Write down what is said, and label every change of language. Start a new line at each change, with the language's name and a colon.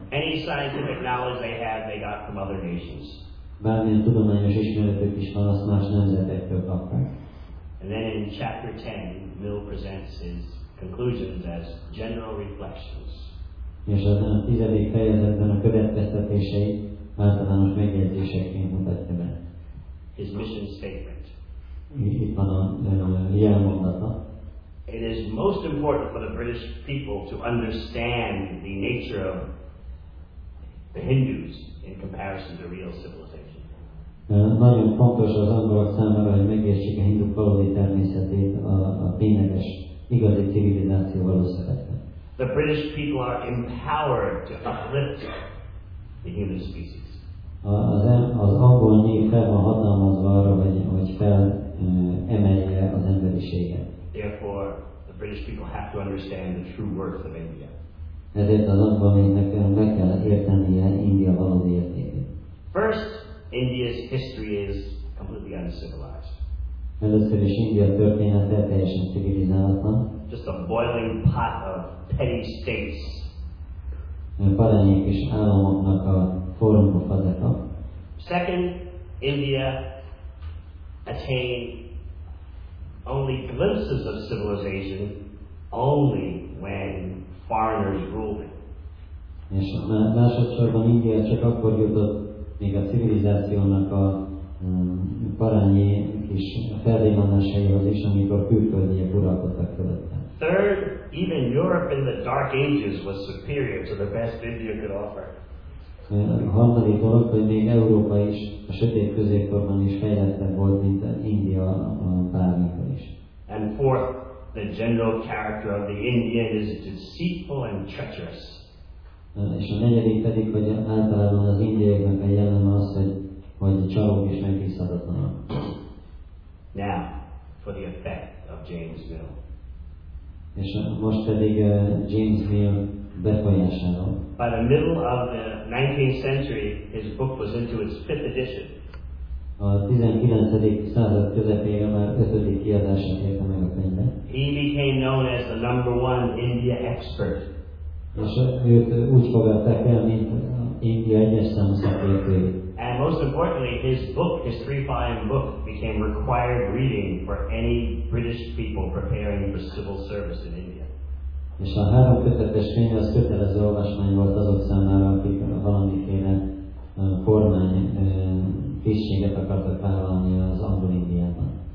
English: Any scientific knowledge they had, they got from other nations.
Hungarian: Bármilyen tudományos ismeretük is van, azt más nemzetektől kapták.
English: And then in chapter 10, Mill presents his conclusions as general reflections.
Hungarian: És az a 10. fejezetben a következtetései általános megjegyzéseként mutatja be.
English: His mission statement.
Hungarian: Itt van a jelmondata.
English: It is most important for the British people to understand the nature of the Hindus in comparison to real civilization.
Hungarian: Nagyon fontos az angolok számára, hogy megértsék a hindu valódi természetét a tényleges, igazi civilizációval összevetve.
English: The British people are empowered to uplift the human species.
Hungarian: Az angol nép fel van hatalmazva arra, hogy fel emelje az emberiséget.
English: Therefore, the British people have to understand the true worth of India.
Hungarian: Ezért az angolnak meg kell értenie India valódi értékét.
English: First, India's history is completely uncivilized.
Hungarian: Először is India története teljesen civilizálatlan.
English: Just a boiling pot of petty states.
Hungarian: Parányi kis államoknak a forrongó fazeta.
English: Second, India attained only glimpses of civilization only when foreigners ruled it.
Hungarian: És másodszorban India csak akkor jutott még a civilizációnak a parányi kis felvillanásaihoz is, amikor külföldiek uralkodtak fölötte.
English: Third, even Europe in the Dark Ages was superior to the best India could offer.
Hungarian: A harmadik dolog, hogy még Európa is a sötét középkorban is fejlettebb volt, mint India bármikor is.
English: And fourth, the general character of the Indian is deceitful and treacherous.
Hungarian: És a negyedik pedig, hogy általában az indiaiaknak a jellem az, hogy csalók és megbízhatatlanak.
English: Now, for the effect of James Mill.
Hungarian: És most pedig James Mill befolyásáról.
English: By the middle of the 19th century, his book was into its 5th edition.
Hungarian: A 19. század közepére már 5. kiadását érte meg a könyve.
English: He became known as the number one India expert.
Hungarian: És őt úgy fogadták el, mint India egyes számú szakértője.
English: And most importantly, his book, his 3-volume book, became required reading for any British people preparing for civil service in India.
Hungarian: És a 3 kötetes könyv az kötelező olvasmány volt azok számára, akik valamiféle kormány tisztséget akartak vállalni az angol Indiában.